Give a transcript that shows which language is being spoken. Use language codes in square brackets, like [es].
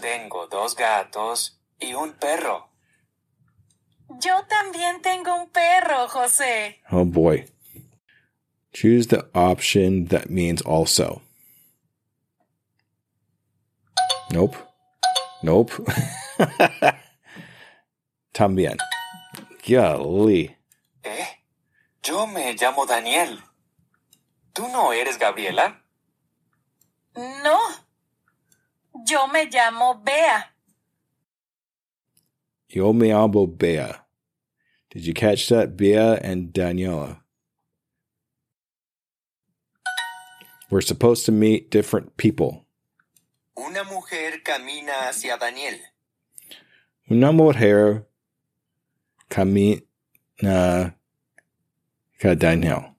[es] Tengo dos gatos y un perro. Yo también tengo un perro, José. [en] Oh, boy. Choose the option that means also. Nope. Nope. [es] También. Golly. ¿Eh? Yo me llamo Daniel. ¿Tú no eres Gabriela? No. Yo me llamo Bea. Yo me llamo Bea. Did you catch that? [en] Bea and Daniela. We're supposed to meet different people. [es] Una mujer camina hacia Daniel. Una mujer camina hacia Daniel.